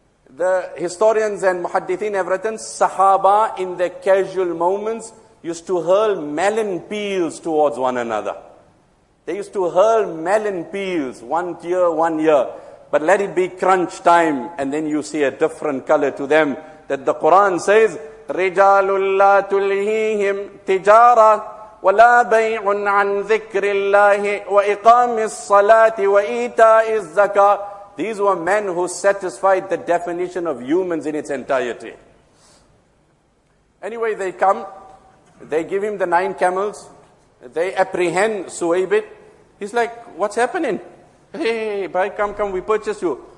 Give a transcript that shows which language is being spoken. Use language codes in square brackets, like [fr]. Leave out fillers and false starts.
[en] The historians and muhaddithin have written, sahaba in their casual moments used to hurl melon peels towards one another. They used to hurl melon peels one year. But let it be crunch time and then you see a different color to them. That the Quran says, [ar] رِجَالٌ لَا تُلْهِيهِمْ تِجَارَةً وَلَا بَيْعٌ عَنْ ذِكْرِ اللَّهِ وَإِقَامِ الصَّلَاةِ وَإِيْتَاءِ الزَّكَاةِ. [en] These were men who satisfied the definition of humans in its entirety. Anyway, they come, they give him the 9 camels, they apprehend Suwaybit. He's like, what's happening? Hey, bhai, come, we purchase you.